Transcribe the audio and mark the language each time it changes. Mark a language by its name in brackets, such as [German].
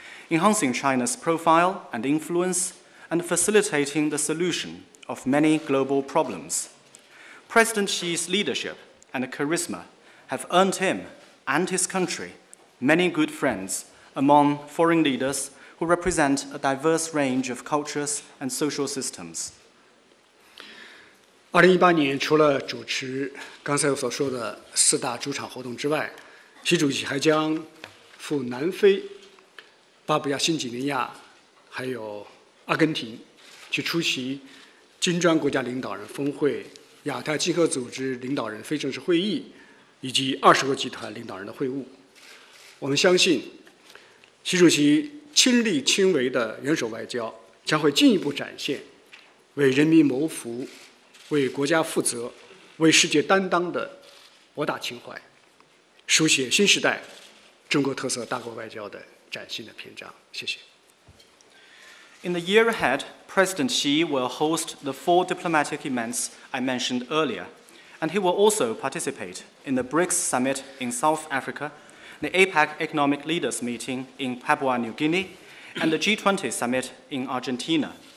[English] enhancing China's profile and influence, and facilitating the solution of many global problems. President Xi's leadership and charisma have earned him and his country many good friends among foreign leaders who represent a diverse range of cultures and social systems. [Chinese] 2018年除了主持刚才所说的四大主场活动之外，习主席还将赴南非、巴布亚新几内亚还有阿根廷去出席金砖国家领导人峰会、亚太经合组织领导人非正式会议以及20国集团领导人的会晤。我们相信习主席亲力亲为的元首外交将会进一步展现为人民谋福、为国家负责、为世界担当的博大情怀，书写新时代中国特色大国外交的崭新的篇章。谢谢。 [English] In the year ahead, President Xi will host the 4 diplomatic events I mentioned earlier, and he will also participate in the BRICS Summit in South Africa, the APEC Economic Leaders Meeting in Papua New Guinea, and the G20 Summit in Argentina.